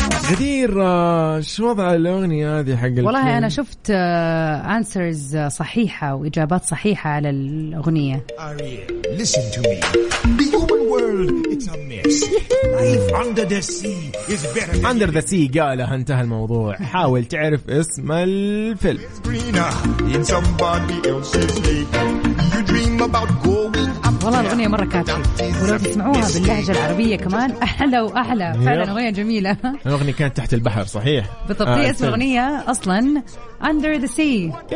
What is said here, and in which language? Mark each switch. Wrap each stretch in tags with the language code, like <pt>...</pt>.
<ar>غدير. شو وضع الأغنية هذه حق الكلين؟ والله أنا شفت answers صحيحة وإجابات صحيحة على الأغنية.</ar> <en>Listen to me. The open world it's a mess. Life under the sea is better than under the sea.</en> <ar>قالها انتهى الموضوع. حاول تعرف اسم الفيلم.</ar> <en>It's greener in somebody else's lake. You dream about going.</en> <ar>والله الأغنية مرة كاتبة ولو تسمعوها باللهجة العربية كمان أحلى وأحلى فعلا أغنية جميلة. الأغنية كانت تحت البحر صحيح بالضبط. هي اسم الأغنية أصلا Under the Sea.</ar>